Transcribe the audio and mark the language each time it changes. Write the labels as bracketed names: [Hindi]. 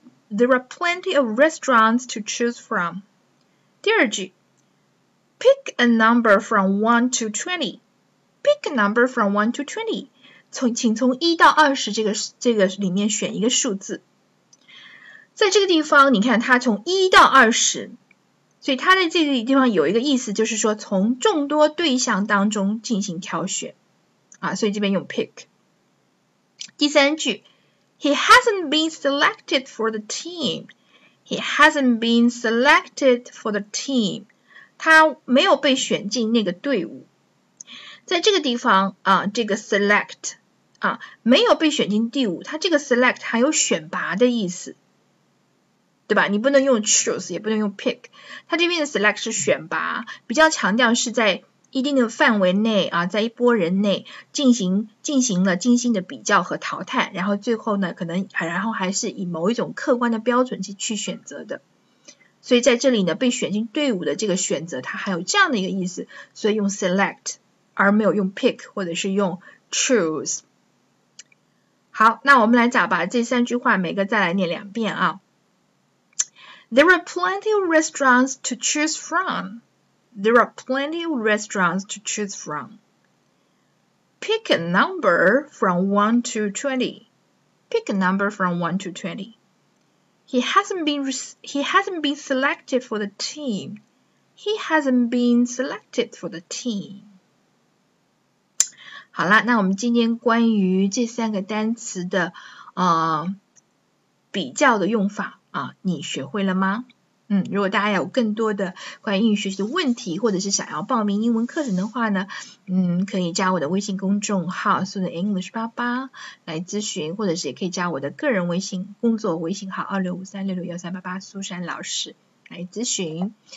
[English] There are plenty of restaurants to choose from. [Chinese] 第二句 [English] ,pick a number from 1 to 20. Pick a number from 1 to 20. [Chinese] 请从1到20这个里面选一个数字。在这个地方你看它从1到20。所以它在这个地方有一个意思就是说从众多对象当中进行挑选。啊，所以这边用 pick。第三句 [English] He hasn't been selected for the team. He hasn't been selected for the team. [Chinese] 他没有被选进那个队伍。在这个地方啊，这个 select 啊，没有被选进队伍，他这个 select 还有选拔的意思，对吧？你不能用 choose， 也不能用 pick。他这边的 select 是选拔，比较强调是在一定的范围内啊，在一波人内进行了精心的比较和淘汰，然后最后呢可能然后还是以某一种客观的标准去选择的，所以在这里呢被选进队伍的这个选择它还有这样的一个意思，所以用 select 而没有用 pick 或者是用 choose。好，那我们来把这三句话每个再来念两遍啊。 [English] There are plenty of restaurants to choose fromThere are plenty of restaurants to choose from. Pick a number from 1 to 20. Pick a number from 1 to 20. He hasn't been selected for the team. He hasn't been selected for the team. [Chinese] 好啦，那我们今天关于这三个单词的比较的用法啊，你学会了吗？如果大家有更多的关于英语学习的问题，或者是想要报名英文课程的话呢，可以加我的微信公众号 Susan English 88来咨询，或者是也可以加我的个人微信工作微信号26536613888 Susan 老师来咨询。